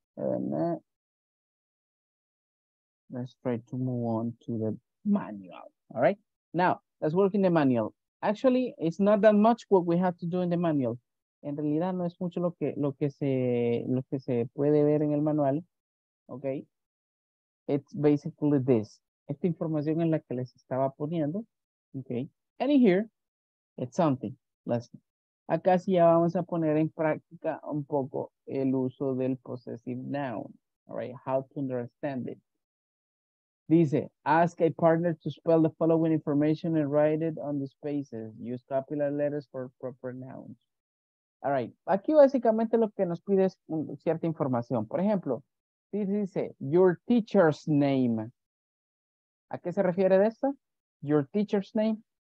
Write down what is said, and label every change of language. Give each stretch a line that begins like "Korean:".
English: Let's try to move on to the manual. All right? Now, let's work in the manual. Actually, it's not that much what we have to do in the manual.
Spanish: En realidad, no es mucho lo que se puede ver en el manual. Ok?
English: It's basically this.
Spanish: Esta información en la que les estaba poniendo.
English: Ok? And in here, it's something. Let's see.
Spanish: Acá sí ya vamos a poner en práctica un poco el uso del
English: possessive noun. All right? How to understand it. Dice, ask a partner to spell the following information and write it on the spaces. Use capital letters for proper nouns. All right.
Spanish: Aquí básicamente lo que nos pide es cierta información. Por ejemplo, dice,
English: your teacher's name.
Spanish: ¿A qué se refiere de esto?
English: Your teacher's name.